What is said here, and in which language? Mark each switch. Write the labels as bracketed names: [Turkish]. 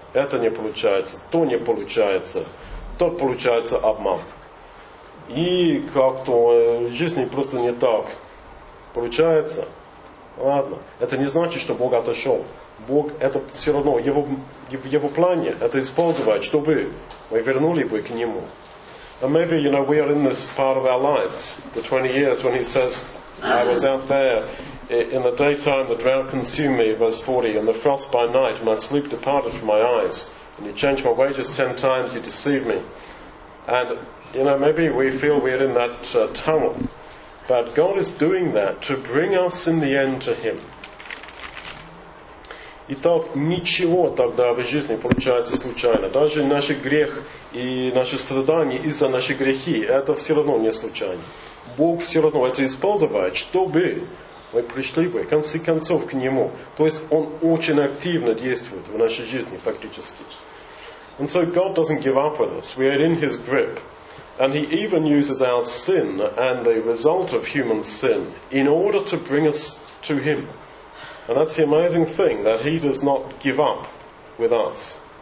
[Russian] Это не получается, то не получается, то получается обман. И как-то жизни просто не так. Получается. Ладно. Это не значит, что Бог отошел. Бог, это все равно, его плане это использовать, чтобы мы вернули бы к Нему. [English] And maybe, you know, we are in this part of our lives, the 20 years, when he says, I was out there in the daytime, the drought consumed me, verse 40, and the frost by night, my sleep departed from my eyes, and you changed my wages 10 times, you deceived me. And, you know, maybe we feel we're in that tunnel. But God is doing that to bring us in the end to Him. [Russian] Итак, ничего тогда в жизни получается случайно. Даже наш грех и наши страдания из-за наших грехи, это все равно не случайно. Бог все равно это использует, чтобы мы пришли бы, в конце концов, к Нему. То есть Он очень активно действует в нашей жизни, фактически. [English] And so God doesn't give up with us. We are in His grip. And He even uses our sin and the result of human sin in order to bring us to Him. And that's the amazing thing, that He does not give up with us.